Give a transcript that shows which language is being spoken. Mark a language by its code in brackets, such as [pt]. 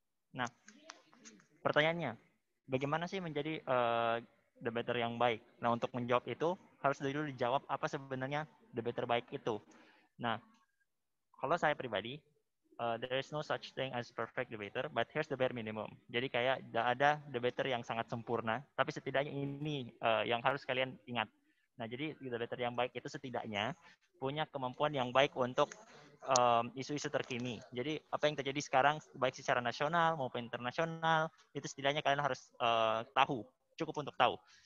[id] Nah, pertanyaannya, bagaimana sih menjadi debater yang baik? Nah, untuk menjawab itu harus dulu dijawab apa sebenarnya debater baik itu. Nah, kalau saya pribadi, [en] there is no such thing as perfect debater, but here's the bare minimum. [id] Jadi kayak tidak ada debater yang sangat sempurna, tapi setidaknya ini yang harus kalian ingat. Nah, jadi debater yang baik itu setidaknya punya kemampuan yang baik untuk isu-isu terkini. Jadi apa yang terjadi sekarang, baik secara nasional maupun internasional, itu setidaknya kalian harus tahu, cukup untuk tahu.